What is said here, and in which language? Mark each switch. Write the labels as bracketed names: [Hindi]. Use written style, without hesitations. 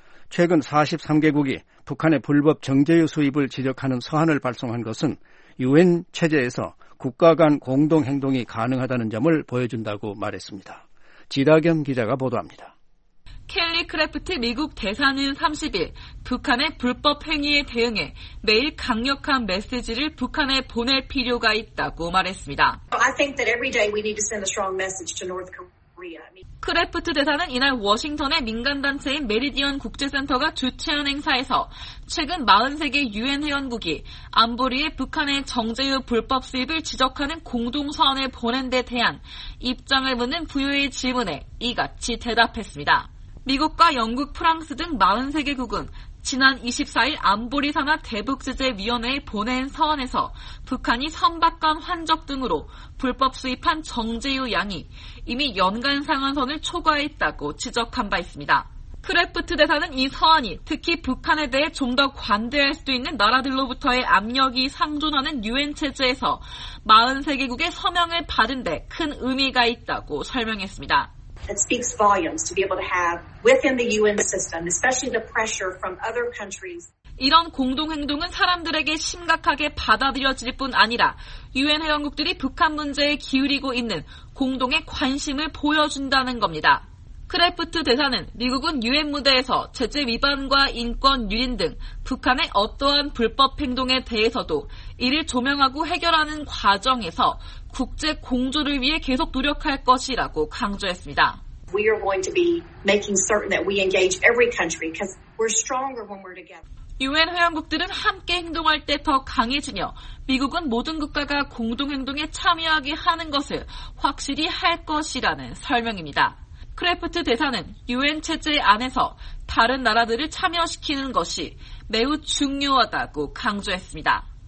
[Korean] 최근 43개국이 북한의 불법 정제유 수입을 지적하는 서한을 발송한 것은 유엔 체제에서 국가 간 공동 행동이 가능하다는 점을 보여준다고 말했습니다. 지다겸 기자가 보도합니다. 켈리 크래프트 미국 대사는 30일 북한의 불법 행위에 대응해 매일 강력한 메시지를 북한에 보낼 필요가 있다고 말했습니다. [English] I think that every day we need to send a strong message to North Korea. [Korean] 크래프트 대사는 이날 워싱턴의 민간단체인 메리디언 국제센터가 주최한 행사에서 최근 43개 유엔 회원국이 안보리에 북한의 정제유 불법 수입을 지적하는 공동서한을 보낸 데 대한 입장을 묻는 부유의 질문에 이같이 대답했습니다. 미국과 영국, 프랑스 등 43개국은 지난 24일 안보리 산하 대북제재위원회에 보낸 서한에서 북한이 선박관 환적 등으로 불법 수입한 정제유 양이 이미 연간 상한선을 초과했다고 지적한 바 있습니다. 크래프트 대사는 이 서한이 특히 북한에 대해 좀 더 관대할 수도 있는 나라들로부터의 압력이 상존하는 유엔 체제에서 43개국의 서명을 받은 데 큰 의미가 있다고 설명했습니다. [English] It speaks volumes to be able to have within the UN system, especially the pressure from other countries. [Korean] 이런 공동행동은 사람들에게 심각하게 받아들여질 뿐 아니라 UN 회원국들이 북한 문제에 기울이고 있는 공동의 관심을 보여준다는 겁니다. 크래프트 대사는 미국은 UN 무대에서 제재 위반과 인권 유린 등 북한의 어떠한 불법 행동에 대해서도 이를 조명하고 해결하는 과정에서 국제 공조를 위해 계속 노력할 것이라고 강조했습니다. [English] We are going to be making certain that we engage every country because we're stronger when we're together. [Korean] UN 회원국들은 함께 행동할 때 더 강해지며 미국은 모든 국가가 공동행동에 참여하게 하는 것을 확실히 할 것이라는 설명입니다. 크래프트 대사는 UN 체제 안에서 다른 나라들을 참여시키는 것이 매우 중요하다고 강조했습니다.